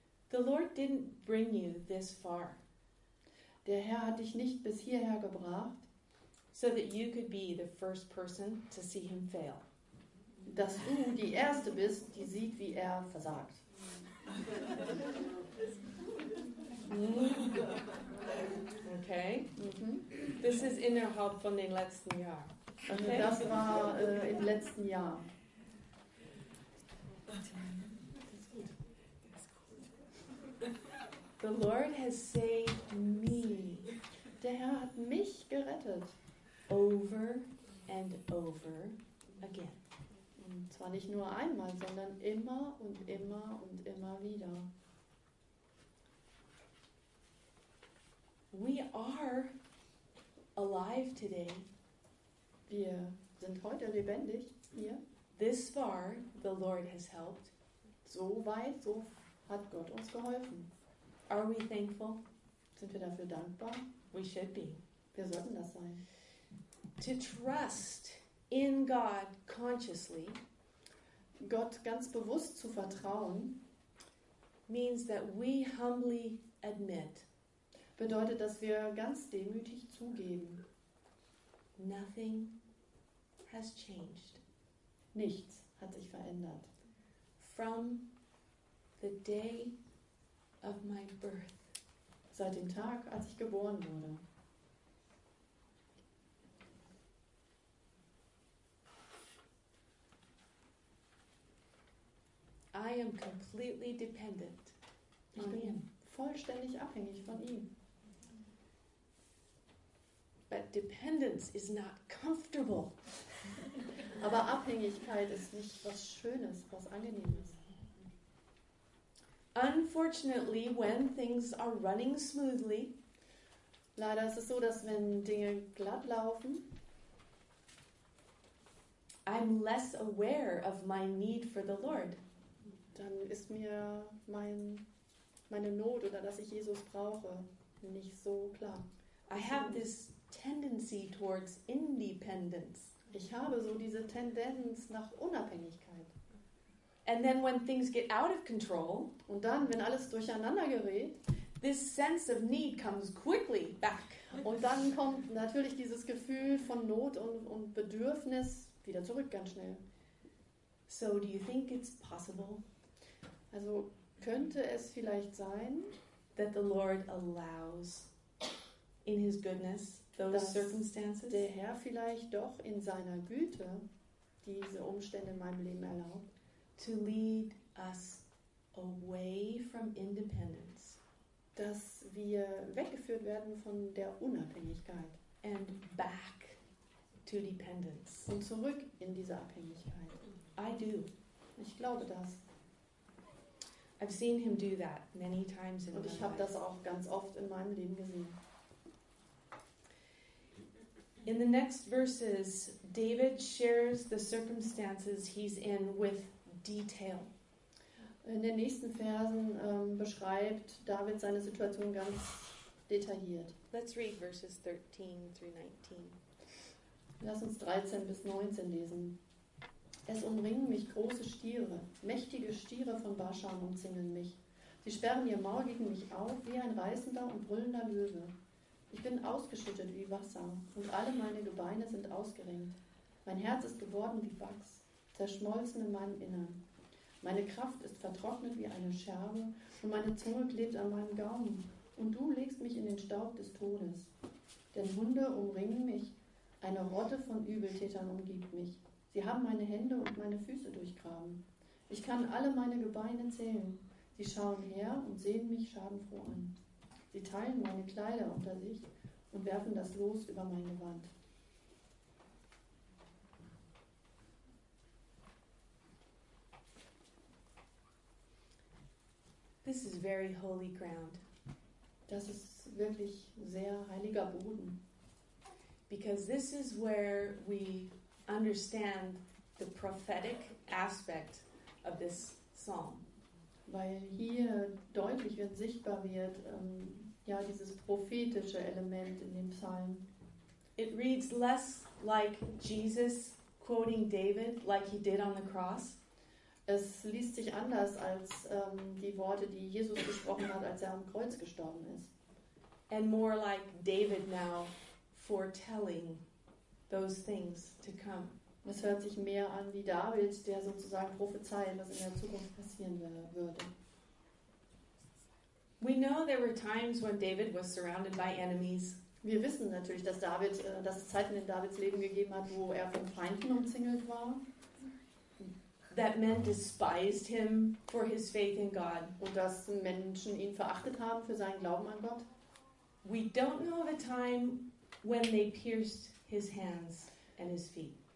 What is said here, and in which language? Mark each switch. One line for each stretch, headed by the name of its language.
English: The Lord didn't bring you this far.
German: Der Herr hat dich nicht bis hierher gebracht,
English: so that you could be the first person to see him fail.
German: Dass du die Erste bist, die sieht, wie er versagt. Okay. Mm-hmm.
English: This is
German: innerhalb von den letzten Jahren. Okay. Das war im letzten Jahr.
English: The Lord has saved me.
German: Der Herr hat mich gerettet.
English: Over and over again.
German: Und zwar nicht nur einmal, sondern immer und immer und immer wieder.
English: We are alive today.
German: Wir sind heute lebendig hier.
English: This far the Lord has helped.
German: So weit, so hat Gott uns geholfen.
English: Are we thankful?
German: Sind wir dafür dankbar?
English: We should be.
German: Wir sollten das sein.
English: To trust in God consciously,
German: Gott ganz bewusst zu vertrauen,
English: means that we humbly admit.
German: Bedeutet, dass wir ganz demütig zugeben.
English: Nothing has changed.
German: Nichts hat sich verändert.
English: From the day of my birth.
German: Seit dem Tag, als ich geboren wurde.
English: I am completely dependent.
German: Ich bin vollständig abhängig von ihm.
English: But dependence is not comfortable.
German: Aber Abhängigkeit ist nicht was Schönes, was Angenehmes.
English: Unfortunately, when things are running smoothly,
German: leider ist es so, dass wenn Dinge glatt laufen,
English: I'm less aware of my need for the Lord.
German: Dann ist mir meine Not oder dass ich Jesus brauche nicht so klar.
English: I have this tendency towards independence.
German: Ich habe so diese Tendenz nach Unabhängigkeit.
English: And then when things get out of control,
German: und dann wenn alles durcheinander gerät,
English: this sense of need comes quickly back.
German: Und dann kommt natürlich dieses Gefühl von Not und Bedürfnis wieder zurück ganz schnell.
English: So do you think it's possible?
German: Also könnte es vielleicht sein,
English: that the Lord allows in his goodness those circumstances,
German: der Herr vielleicht doch in seiner Güte diese Umstände in meinem Leben erlaubt,
English: to lead us away from independence,
German: dass wir weggeführt werden von der Unabhängigkeit,
English: and back to dependence,
German: und zurück in diese Abhängigkeit.
English: I do.
German: Ich glaube das.
English: I've seen him do that many times in my life.
German: Und ich habe das auch ganz oft in meinem Leben gesehen.
English: In the next verses, David shares the circumstances he's in with detail.
German: In den nächsten Versen beschreibt David seine Situation ganz detailliert.
English: Let's read verses 13 through 19.
German: Lass uns 13 bis 19 lesen. Es umringen mich große Stiere, mächtige Stiere von Baschan umzingeln mich. Sie sperren ihr Maul gegen mich auf wie ein reißender und brüllender Löwe. Ich bin ausgeschüttet wie Wasser und alle meine Gebeine sind ausgeringt. Mein Herz ist geworden wie Wachs, zerschmolzen in meinem Innern. Meine Kraft ist vertrocknet wie eine Scherbe und meine Zunge klebt an meinem Gaumen. und du legst mich in den Staub des Todes. Denn Hunde umringen mich, eine Rotte von Übeltätern umgibt mich. Sie haben meine Hände und meine Füße durchgraben. Ich kann alle meine Gebeine zählen. Sie schauen her und sehen mich schadenfroh an. Sie teilen meine Kleider unter sich und werfen das Los über mein Gewand.
English: This is very holy ground.
German: Das ist wirklich sehr heiliger Boden.
English: Because this is where we understand the prophetic aspect of this psalm.
German: Weil hier deutlich wird, sichtbar wird, ja, dieses prophetische Element in dem Psalm.
English: It reads less like Jesus quoting David like he did on the cross.
German: Es liest sich anders als die Worte, die Jesus gesprochen hat, als er am Kreuz gestorben ist.
English: And more like David now foretelling those things to come.
German: Es hört sich mehr an wie David, der sozusagen prophezeit, was in der Zukunft passieren würde.
English: We know there were times when David was surrounded by enemies.
German: Wir wissen natürlich, dass David, dass es Zeiten in Davids Leben gegeben hat, wo er von Feinden umzingelt war.
English: That men despised him for his faith in God.
German: Und dass Menschen ihn verachtet haben für seinen Glauben an Gott.
English: We don't know of a time when they pierced his hands and his feet.